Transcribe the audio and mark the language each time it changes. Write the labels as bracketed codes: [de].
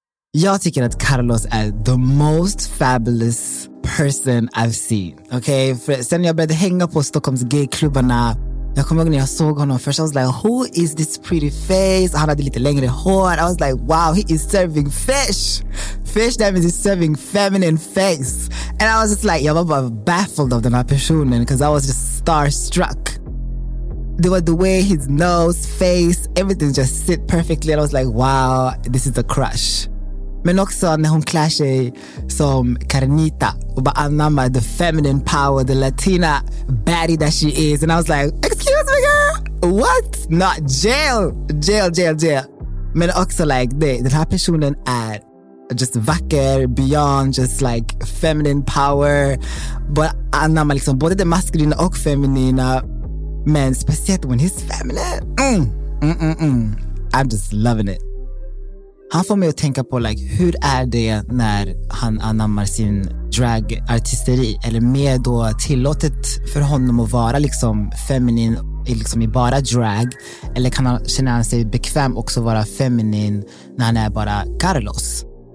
[sv] Jag tycker att Carlos är [en] the most fabulous person I've seen. Okay? [sv] För sen jag började hänga på Stockholms gayklubbarna, jag kommer ihåg när jag såg honom först, I was like, [en] who is this pretty face? [sv] Han hade lite längre hår. I was like, [en] wow, he is serving fish. fish them is serving feminine face. And I was just like, yeah, I'm baffled of the person, because I was just starstruck. There was the way his nose, face, everything just sit perfectly. And I was like, wow, this is a crush. [sv] Men också när hon klär sig som Carnita och bara anammar [en] the feminine power, the Latina baddie that she is. And I was like, excuse me girl, what? Not jail, jail, jail, jail. [sv] Men också like, det, den här personen är just vacker [en] beyond just like feminine power. [sv] But anammar liksom både det maskulina och feminina. Men speciellt [en] when he's feminine, I'm just loving it. [sv] Han får mig att tänka på like, hur är det när han anammar sin dragartisteri? Eller mer då tillåtet för honom att vara liksom feminin liksom i bara drag? Eller kan han känna sig bekväm också vara feminin när han är bara Carlos?